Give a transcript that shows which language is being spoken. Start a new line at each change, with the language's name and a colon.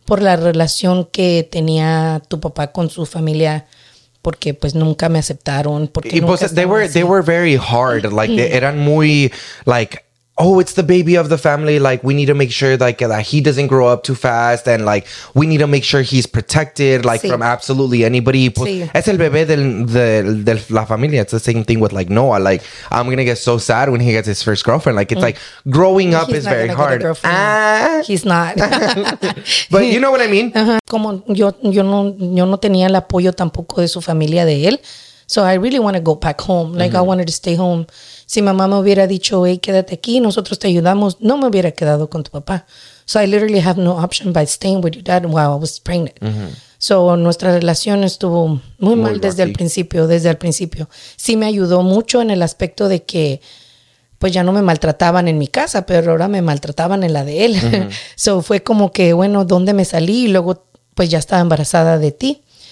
Spanish: Por la relación que tenía tu papá con su familia, porque pues nunca me aceptaron, porque nunca estaban así.
English: They were very hard, like
Spanish: eran muy,
English: like, oh, it's the baby of the family, like, we need to make sure, like, that he doesn't grow up too fast, and, like, we need to make sure he's protected, like, sí. from absolutely anybody.
Spanish: Pues, sí. Es el bebé del la familia.
English: It's the same thing with, like, Noah. Like, I'm gonna get so sad when he gets his first girlfriend. Like, it's like, growing up is very hard. He's not. But you know what I mean? Uh-huh.
Spanish: Como yo no tenía el apoyo tampoco de su familia, de él.
English: So I really want to go back home. Like, mm-hmm. I wanted to stay home.
Spanish: Si mamá me hubiera dicho, hey, quédate aquí, nosotros te ayudamos, no me hubiera quedado con tu papá.
English: So I literally have no option by staying with your dad while I was pregnant. Mm-hmm. So
Spanish: nuestra relación estuvo muy mal desde el principio. Sí me ayudó mucho en el aspecto de que, pues ya no me maltrataban en mi casa, pero ahora me maltrataban en la de él. Mm-hmm.
English: So
Spanish: fue como que, bueno, ¿dónde me salí? Y luego, pues ya estaba embarazada de ti.